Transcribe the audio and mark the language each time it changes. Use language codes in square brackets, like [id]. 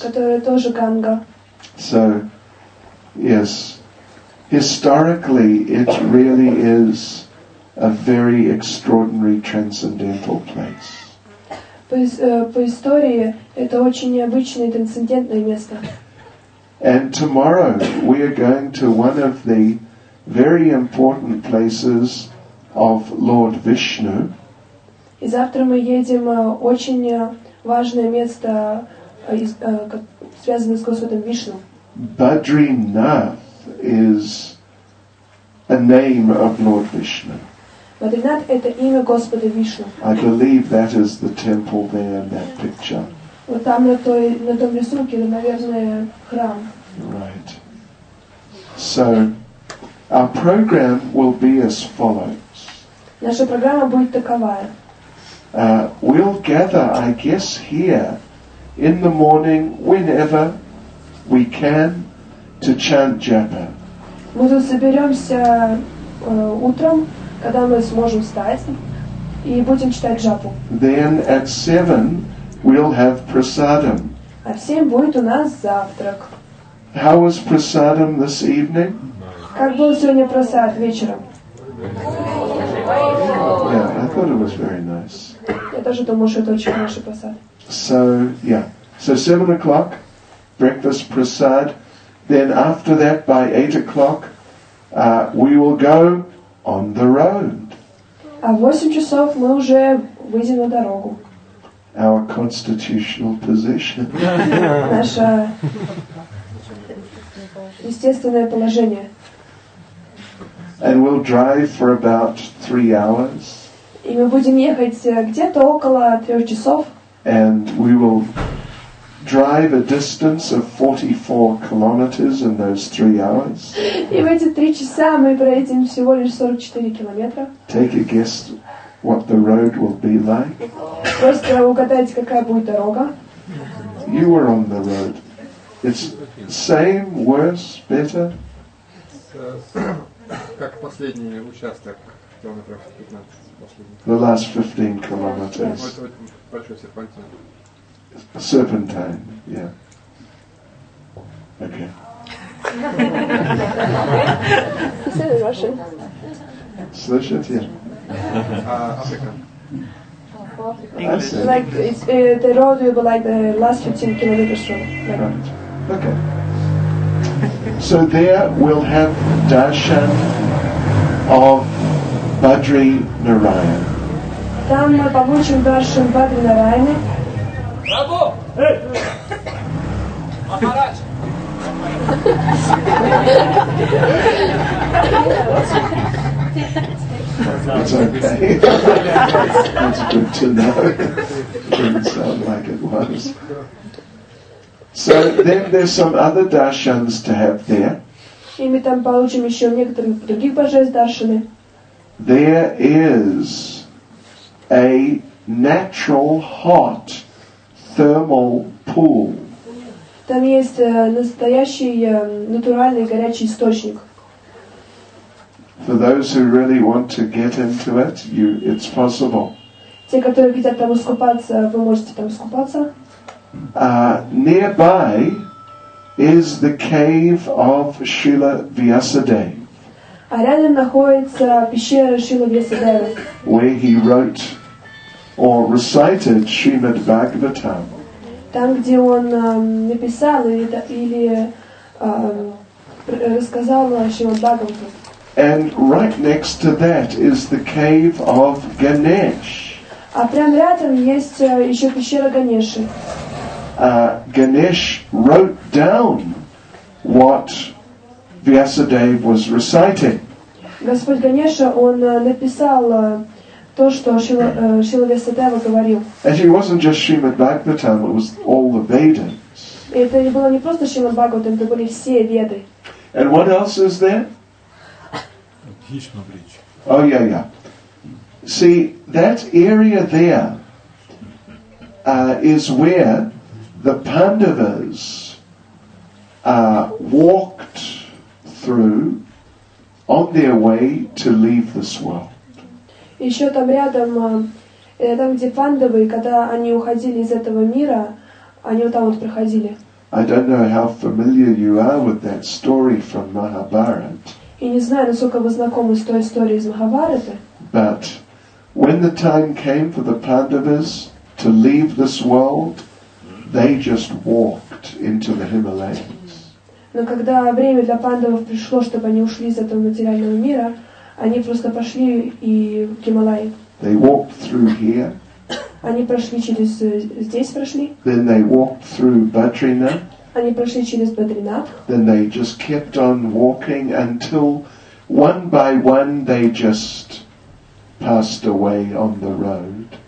[ru] Которая тоже Ганга. [en] So, yes, historically it really is a very extraordinary transcendental place. [ru] По истории это очень необычное трансцендентное место. [en] And tomorrow we are going to one of the very important places of Lord Vishnu. [ru] И завтра мы едем в очень важное место, связанное с Господом Вишну. [en] Badrinath is a name of Lord Vishnu. [ru] Badrinath – это имя Господа Вишну. [en] I believe that is the temple there in that picture. [ru] Вот там на том рисунке, наверное, храм. [en] Right. So, our program will be as follows. [ru] Наша программа будет таковая. [en] We'll gather, I guess, here in the morning, whenever we can, to chant japa. [ru] Мы тут соберемся утром, когда мы сможем встать, и будем читать джапу. [en] Then at 7 we'll have prasadam. [ru] А в 7 будет у нас завтрак. [en] How was prasadam this evening? [ru] Как был сегодня прасад вечером? [en] Yeah, I thought it was very nice. [ru] Я тоже думаю, что это очень хороший прасад. [en] So, yeah. So 7 o'clock. Breakfast, prasad. Then after that, by 8 o'clock, we will go on the road. [ru] А в 8 часов мы уже выйдем на дорогу. [en] Our constitutional position. [ru] Наше естественное положение. [en] And we'll drive for about 3 hours. [ru] И мы будем ехать где-то около 3 часов. [en] And we will drive a distance of 44 kilometers in those 3 hours. [ru] И в эти 3 часа мы проедем всего лишь 44 километра. [en] Take a guess what the road will be like. [ru] Просто угадайте, какая будет дорога. [en] You were on the road. It's same, worse, better. [ru] как последний участок, километров 15, последний. [en] The last 15 kilometers. [ru] Большой серпантин. [en] Serpentine, yeah. Okay. [ru] Слышите? Африка. [en] Like the road will be like the last 15 kilometers from. Right. Okay. So there we'll have darshan of Badri Narayan. [ru] Там мы получим даршан Бадри Нараяны. Рабу! Махарадж! [en] That's okay. That's good to know. Didn't sound like it was. So then there's some other darshans to have there. [ru] И мы там получим еще некоторых других божеств даршаны. [en] There is a natural hot thermal pool. [ru] Там есть настоящий натуральный горячий источник. [en] For those who really want to get into it, it's possible. [ru] Те, которые хотят там искупаться, вы можете там искупаться. [en] Nearby is the cave of Srila Vyasadeva. [ru] А рядом находится пещера Шрилы Вьясадевы. [en] Where he wrote or recited Srimad Bhagavatam. [ru] Там, где он написал рассказал о Шримад Бхагаватам. [en] And right next to that is the cave of Ganesh. [ru] А прямо рядом есть еще пещера Ганеши. [en] Ganesh wrote down what Vyasadeva was reciting. [ru] Господь Ганеша, он написал то, что Шрила Вьясадева говорил. [en] And it wasn't just Srimad Bhagavatam, it was all the Vedas. [ru] Это не было не просто Шримад Бхагаватам, это были все Веды. [en] And what else is there? Oh yeah, yeah. See, that area there is where the Pandavas walked through on their way to leave this world. [ru] Еще там рядом, там где Пандавы, когда они уходили из этого мира, они вот там вот проходили. [en] I don't know how familiar you are with that story from Mahabharata. [ru] И не знаю, насколько вы знакомы с той историей из Махабхараты. [en] But when the time came for the Pandavas to leave this world, they just walked into the Himalayas. [ru] Но когда время для пандавов пришло, чтобы они ушли из этого материального мира, они просто пошли и в Гималаи. [en] They walked through here. [ru] Они прошли через здесь прошли. [en] Then they walked through Badrinath. [ru] Они прошли через Бадринат. [en] Then they just kept on walking until one by one they just passed away on the road.